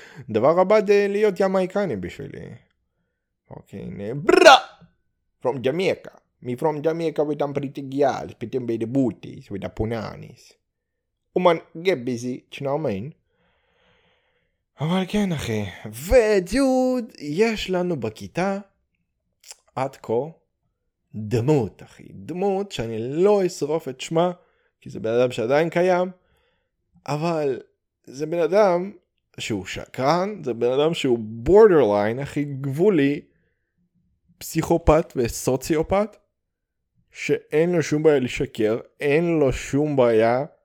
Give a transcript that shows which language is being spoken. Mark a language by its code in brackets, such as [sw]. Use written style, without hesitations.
[he] דבר הבא זה להיות ימייקני בשבילי. [en] אוקיי, נה, ברא! From Jamaica. Me from Jamaica with them pretty girls, with them baby booties, with the punanis. Woman, get busy, you know what I mean? [he] אבל כן, אחי. ודוד, יש לנו בכיתה, עד כה, דמות, אחי, דמות שאני לא אשרוף את שמה, כי זה בן אדם שעדיין קיים, אבל זה בן אדם שהוא שקרן, זה בן אדם שהוא borderline, אחי, גבולי, פסיכופת וסוציופת, שאין לו שום בעיה לשקר, אין לו שום בעיה